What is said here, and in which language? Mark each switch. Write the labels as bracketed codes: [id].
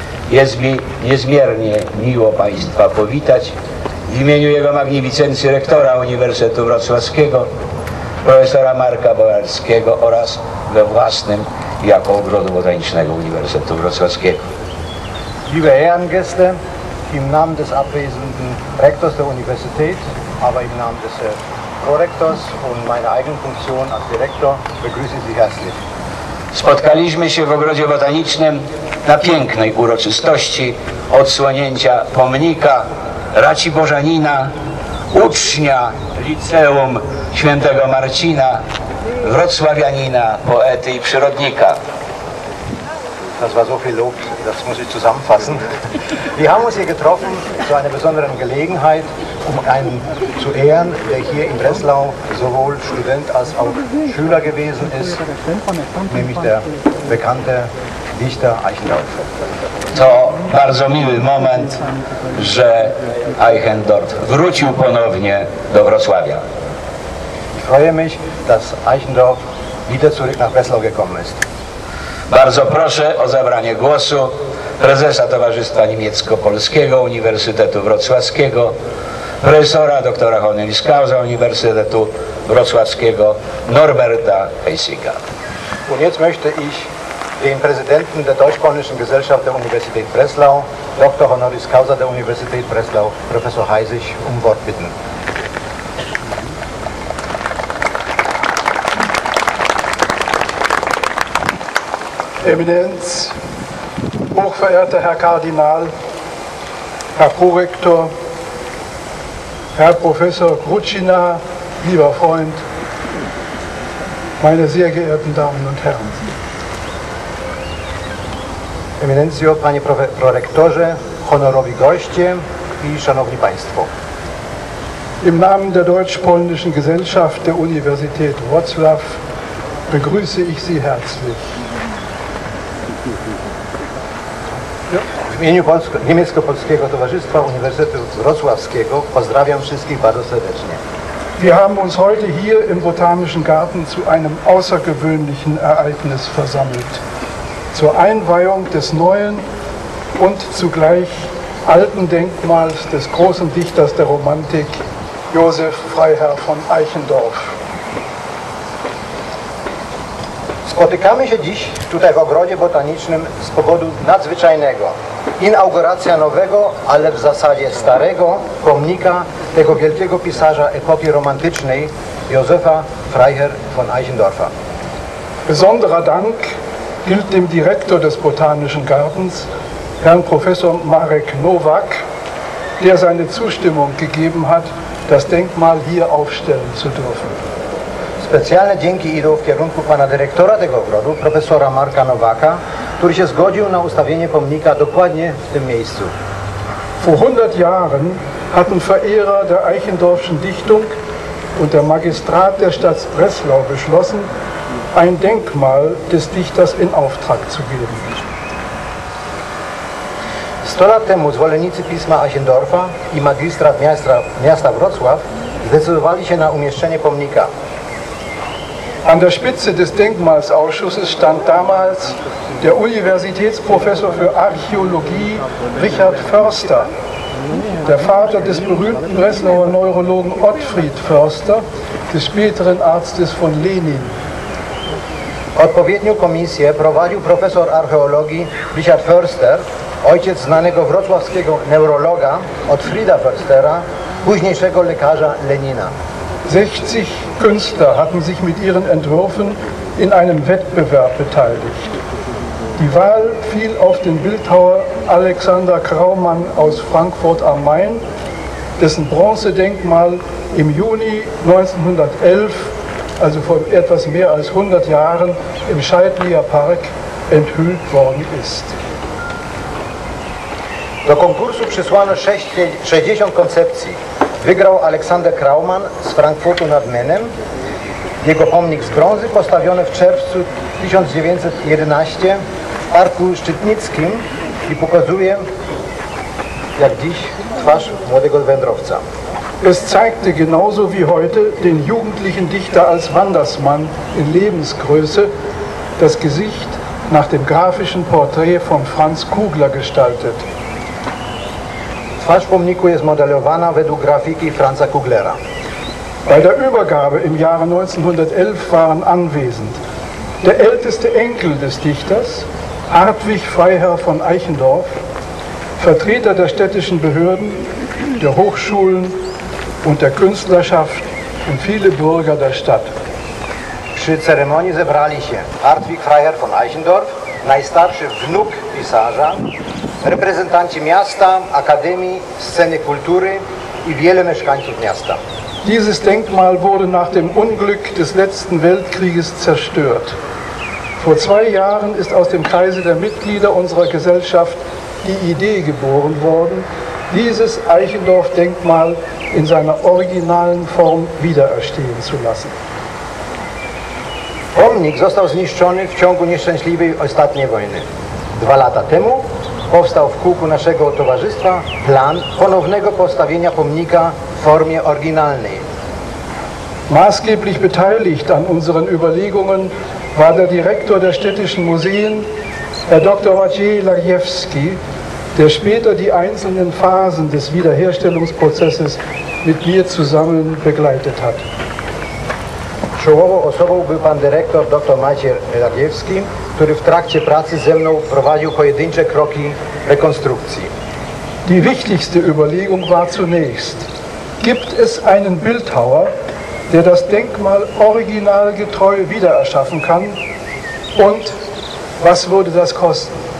[pl] Jest mi niezmiernie miło Państwa powitać w imieniu Jego Magnificencji rektora Uniwersytetu Wrocławskiego, profesora Marka Bojarskiego oraz we własnym jako Ogrodu Botanicznego Uniwersytetu Wrocławskiego. [de] Liebe Ehrengäste, im Namen des abwesenden Rektors der Universität, aber im Namen des Prorektors und meiner eigenen Funktion als Direktor begrüße ich Sie herzlich. [pl] Spotkaliśmy się w Ogrodzie Botanicznym na pięknej uroczystości odsłonięcia pomnika Raciborzanina, ucznia Liceum Świętego Marcina, wrocławianina, poety i przyrodnika. [de] Das war so viel Lob, das muss ich zusammenfassen. Wir haben uns hier getroffen zu einer besonderen Gelegenheit, um einen zu ehren, der hier in Breslau sowohl Student als auch Schüler gewesen ist, nämlich der bekannte Dichter Eichendorff. [pl] To bardzo miły moment, że Eichendorff wrócił ponownie do Wrocławia. [de] Ich freue mich, dass Eichendorff wieder zurück nach Breslau gekommen ist. [pl] Bardzo proszę o zabranie głosu prezesa Towarzystwa Niemiecko-Polskiego Uniwersytetu Wrocławskiego, profesora doktora Honeliskausa Uniwersytetu Wrocławskiego Norberta Heisiga. [de] Und jetzt möchte ich den Präsidenten der Deutsch-Polnischen Gesellschaft der Universität Breslau, Dr. Honeliskausa der Universität Breslau, Professor Heisig, Wort bitten. Eminenz, hochverehrter Herr Kardinal, Herr Prorektor, Herr Professor Gruczina, lieber Freund, meine sehr geehrten Damen und Herren. [pl] Eminenzio, panie prorektorze, honorowi goście i szanowni państwo. [de] Im Namen der Deutsch-Polnischen Gesellschaft der Universität Wrocław begrüße ich Sie herzlich. [pl] W imieniu Niemiecko-Polskiego Towarzystwa Uniwersytetu Wrocławskiego pozdrawiam wszystkich bardzo serdecznie. [de] Wir haben uns heute hier im Botanischen Garten zu einem außergewöhnlichen Ereignis versammelt. Zur Einweihung des neuen und zugleich alten Denkmals des großen Dichters der Romantik, Josef Freiherr von Eichendorff. [pl] Spotykamy się dziś tutaj w Ogrodzie Botanicznym z powodu nadzwyczajnego. Inauguracja nowego, ale w zasadzie starego pomnika tego wielkiego pisarza epoki romantycznej, Josefa Freiherr von Eichendorffa. [de] Besonderer Dank gilt dem Direktor des Botanischen Gartens, Herrn Professor Marek Nowak, der seine Zustimmung gegeben hat, das Denkmal hier aufstellen zu dürfen. [pl] Specjalne dzięki idą w kierunku pana dyrektora tego ogrodu, profesora Marka Nowaka, który się zgodził na ustawienie pomnika dokładnie w tym miejscu. [de] Vor 100 Jahren hatten Verehrer der Eichendorffschen Dichtung und der Magistrat der Stadt Breslau beschlossen, ein Denkmal des Dichters in Auftrag zu geben. [pl] 100 lat temu zwolennicy pisma Asiendorfa i magistrat miasta Wrocław zdecydowali się na umieszczenie pomnika. [de] An der Spitze des Denkmalsausschusses stand damals der Universitätsprofessor für Archäologie Richard Förster, der Vater des berühmten Breslauer Neurologen Ottfried Förster, des späteren Arztes von Lenin. [pl] Odpowiednią komisję prowadził profesor archeologii Richard Förster, ojciec znanego wrocławskiego neurologa Ottfrieda Förstera, późniejszego lekarza Lenina. [de] 60 Künstler hatten sich mit ihren Entwürfen in einem Wettbewerb beteiligt. Die Wahl fiel auf den Bildhauer Alexander Kraumann aus Frankfurt am Main, dessen Bronzedenkmal im Juni 1911, also vor etwas mehr als 100 Jahren, im Scheidlier Park enthüllt worden ist. [pl] Do konkursu przysłano 60 koncepcji. Wygrał Aleksander Kraumann z Frankfurtu nad Menem. Jego pomnik z brązy postawiony w czerwcu 1911 w Parku Szczytnickim i pokazuje, jak dziś, twarz młodego wędrowca. [de] Es zeigte genauso wie heute den jugendlichen Dichter als Wandersmann in Lebensgröße, das Gesicht nach dem grafischen Porträt von Franz Kugler gestaltet. [pl] Twarz pomniku jest modelowana według grafiki Franza Kuglera. [de] Bei der Übergabe im Jahre 1911 waren anwesend der älteste Enkel des Dichters, Hartwig Freiherr von Eichendorff, Vertreter der städtischen Behörden, der Hochschulen und der Künstlerschaft und viele Bürger der Stadt. [pl] Przy ceremonii zebrali się Hartwig Freiherr von Eichendorff, najstarszy wnuk pisarza, reprezentanci miasta, akademii, sceny kultury i wiele mieszkańców miasta. [de] Dieses Denkmal wurde nach dem Unglück des letzten Weltkrieges zerstört. Vor zwei Jahren ist aus dem Kreise der Mitglieder unserer Gesellschaft die Idee geboren worden, dieses Eichendorff-Denkmal in seiner originalen Form wiedererstehen zu lassen. [pl] Pomnik został zniszczony w ciągu nieszczęśliwej ostatniej wojny. Dwa lata temu powstał w kółku naszego towarzystwa plan ponownego postawienia pomnika w formie oryginalnej. [de] Maßgeblich beteiligt an unseren Überlegungen war der Direktor der städtischen Museen, Herr Dr. Maciej Lajewski, der später die einzelnen Phasen des Wiederherstellungsprozesses mit mir zusammen begleitet hat. [pl] Czołową osobą był pan dyrektor dr Maciej Lajewski, który w trakcie pracy ze mną prowadził pojedyncze kroki rekonstrukcji. [de] Die wichtigste Überlegung war zunächst, gibt es einen Bildhauer, der das Denkmal originalgetreu wiedererschaffen kann? Und was würde das kosten?